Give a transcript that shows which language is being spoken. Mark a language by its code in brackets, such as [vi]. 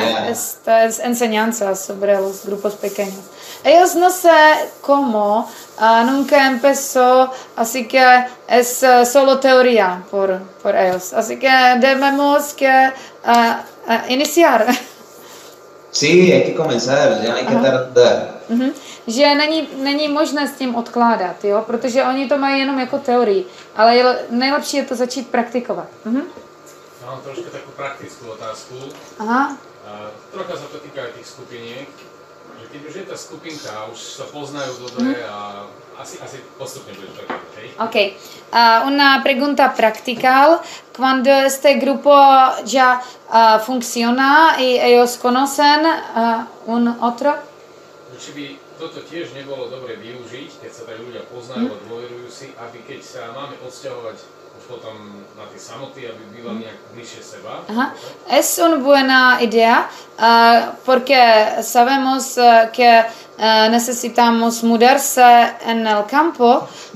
[es] Esta es enseñanza sobre los grupos pequeños. Ellos no sé cómo, nunca empezó, así que es solo teoría por ellos. Así que debemos que iniciar. Sí, hay que comenzar, ya hay que tardar. [cs] Že není možné s tím odkládat, jo? Protože oni to mají jenom jako teorii, ale nejlepší je to začít praktikovat. Já mám trošku takovou praktickou otázku. Aha. Trochu se to týká těch skupinek. Že když už je ta skupinka, už se poznají dobře a asi postupně bude to. Ok. [es] Una pregunta practical. Cuando este grupo ya funciona y ellos conocen un otro? [sk] Či by toto tiež nebolo dobre využiť, keď sa tak ľudia poznajú a dôverujú si, aby keď sa máme odsťahovať už potom na tie samoty, aby bývali nejak bližšie seba? Aha. [es] Es una buena idea, porque sabemos que necesitamos mudarse en el campo.